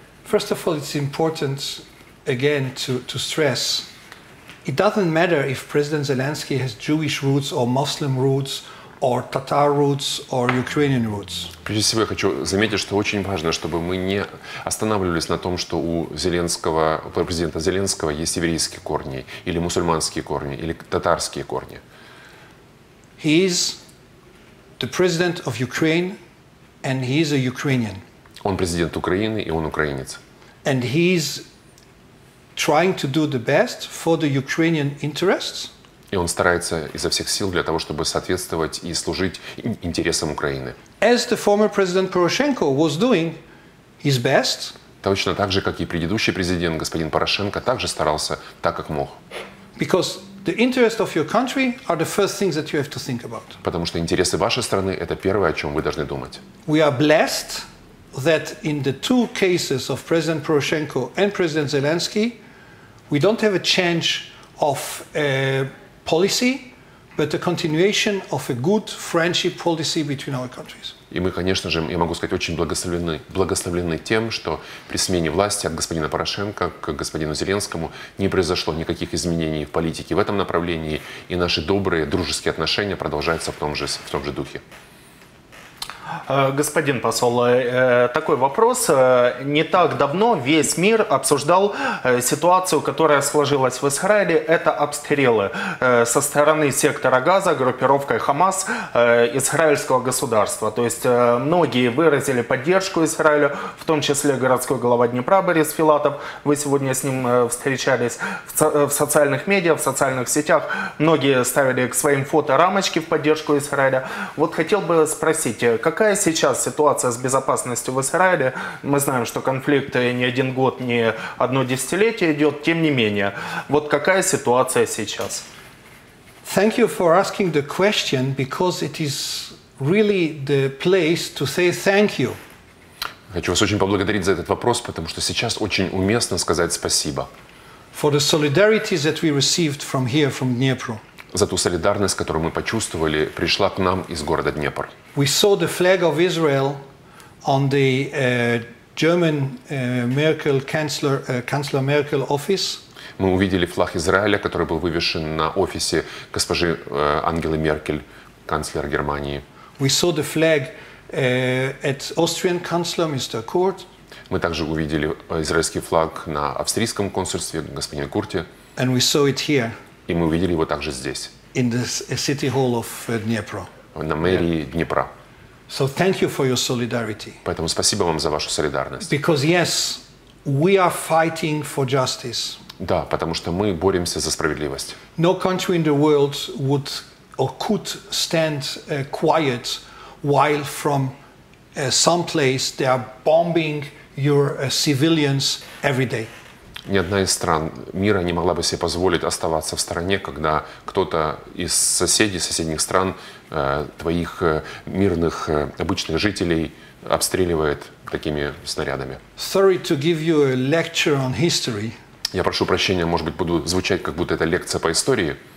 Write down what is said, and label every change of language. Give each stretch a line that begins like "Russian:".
English: First of all, it's important again to stress, it doesn't matter if President Zelensky has Jewish roots or Muslim roots or Tatar roots or Ukrainian roots.
Russian: Прежде всего, я хочу заметить, что очень важно, чтобы мы не останавливались на том, что у Зеленского, у президента Зеленского есть еврейские корни или мусульманские корни или татарские корни.
English: He is the president of Ukraine, and he is a Ukrainian.
Russian: Он президент Украины, и он украинец.
English: And he is trying to do the best for the Ukrainian interests.
Russian: И он старается изо всех сил для того, чтобы соответствовать и служить интересам Украины.
English: As the former president Poroshenko was doing his best.
Russian: Точно так же, как и предыдущий президент, господин Порошенко, также старался так, как мог.
English: Because the interests of your country are the first things that you have to think about.
Russian: Потому что интересы вашей страны – это первое, о чем вы должны думать.
English: We are blessed that in the two cases of President Poroshenko and President Zelensky, we don't have a change of policy, but a continuation of a good friendship policy between our countries.
Russian: И мы, конечно же, я могу сказать, очень благословлены тем, что при смене власти от господина Порошенко к господину Зеленскому не произошло никаких изменений в политике в этом направлении, и наши добрые, дружеские отношения продолжаются в том же духе. Господин посол, такой вопрос. Не так давно весь мир обсуждал ситуацию, которая сложилась в Израиле. Это обстрелы со стороны сектора Газа группировкой Хамас израильского государства. То есть многие выразили поддержку Израилю, в том числе городской глава Днепра Борис Филатов. Вы сегодня с ним встречались в социальных медиа, в социальных сетях. Многие ставили к своим фото рамочки в поддержку Израиля. Вот хотел бы спросить, какая сейчас ситуация с безопасностью в Израиле? Мы знаем, что конфликт не один год, не одно десятилетие идет. Тем не менее, вот какая ситуация сейчас?
English: Thank you for asking the question, because it is really the place to say thank you.
Russian: Хочу вас очень поблагодарить за этот вопрос, потому что сейчас очень уместно сказать спасибо.
English: For the solidarity that we received from here, from Dnipro.
Russian: За ту солидарность, которую мы почувствовали, пришла к нам из города Днепр.
English: We saw the flag of Israel on the German Merkel Chancellor Merkel office.
Russian: Мы увидели флаг Израиля, который был вывешен на офисе госпожи Ангелы Меркель, канцлера Германии.
English: We saw the flag at Austrian Chancellor Mr. Kurt.
Russian: Мы также увидели израильский флаг на австрийском консульстве господина Курте.
English: And we saw it here.
Russian: И мы увидели его также здесь.
English: In the city hall of Dnipro.
Russian: На мэрии Днепра.
English: So thank you for your solidarity.
Russian: Поэтому спасибо вам за вашу солидарность.
English: Because yes, we are fighting for justice.
Russian: Да, потому что мы боремся за справедливость.
English: No country in the world would or could stand quiet while from some place they are bombing your civilians every day.
Russian: ни одна из стран мира не могла бы себе позволить оставаться в стороне, когда кто-то из соседей, соседних стран, твоих мирных обычных жителей обстреливает такими снарядами.
English: Sorry to give you a lecture on history.
Russian: Я прошу прощения, может быть, буду звучать, как будто это лекция по истории.